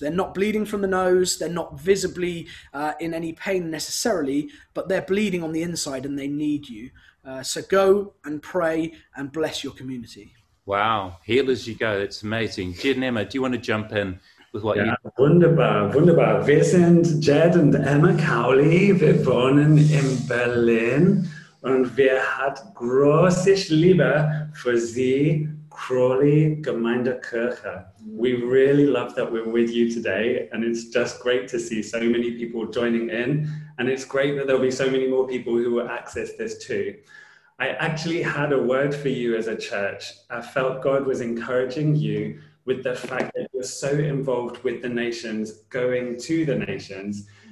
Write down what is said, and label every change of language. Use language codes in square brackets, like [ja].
[en] They're not bleeding from the nose, they're not visibly in any pain necessarily, but they're bleeding on the inside and they need you. So go and pray and bless your community. Wow, heal as you go, it's amazing. Jed and Emma, do you want to jump in with what you... [de] Wunderbar. Wir sind Jed und Emma Cowley, wir wohnen in Berlin. Und wir hat große Liebe für Sie, Crawley Gemeindekirche. [en] We really love that we're with you today, and it's just great to see so many people joining in. And it's great that there'll be so many more people who will access this too. I actually had a word for you as a church. I felt God was encouraging you with the fact that you're so involved with the nations, going to the nations.